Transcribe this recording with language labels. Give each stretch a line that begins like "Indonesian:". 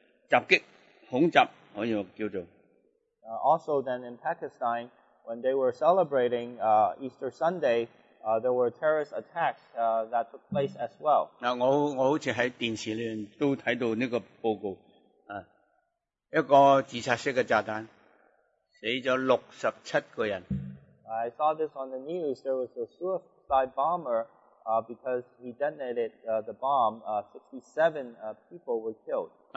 Chinese: 就在那個巴基斯坦基督徒復活節禮拜之後,他們進行一個襲擊,恐襲,可以叫做。
English: Also then in Pakistan, when they were celebrating Easter Sunday, there were terrorist attacks that took place as well.
Chinese: 我好像在電視裡都看到那個報告。一個自殺式的炸彈,死了67個人。
English: I saw this on the news, there was a suicide bomber because he detonated the bomb, 67 people were killed.